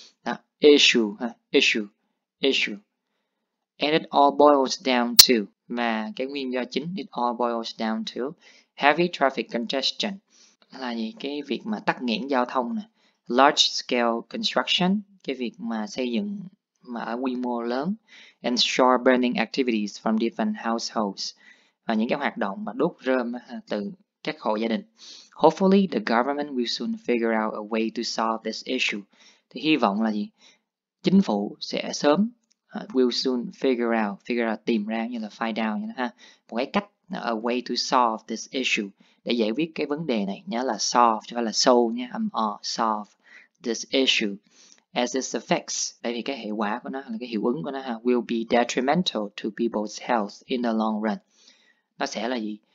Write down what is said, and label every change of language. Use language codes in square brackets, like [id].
[en] Đó, issue ha, issue. And it all boils down to, [vi] mà cái nguyên do chính, [en] it all boils down to heavy traffic congestion. Là gì? [vi] Cái việc mà tắc nghẽn giao thông nè. [en] Large scale construction, [vi] cái việc mà xây dựng mà ở quy mô lớn. [en] And shore burning activities from different households. [vi] Và những cái hoạt động mà đốt rơm từ các hộ gia đình. [en] Hopefully the government will soon figure out a way to solve this issue. [vi] Thì hy vọng là gì? Chính phủ sẽ sớm [en] will soon figure out [vi] tìm ra như là find out như ha. Một cái cách, [en] a way to solve this issue, [vi] để giải quyết cái vấn đề này. Nhớ là solve chứ không phải là solve nhé, âm o, [en] solve this issue. As its effects, [vi] bởi vì cái hệ quả của nó, là cái hiệu ứng của nó ha, [en] will be detrimental to people's health in the long run. [vi] Nó sẽ là gì?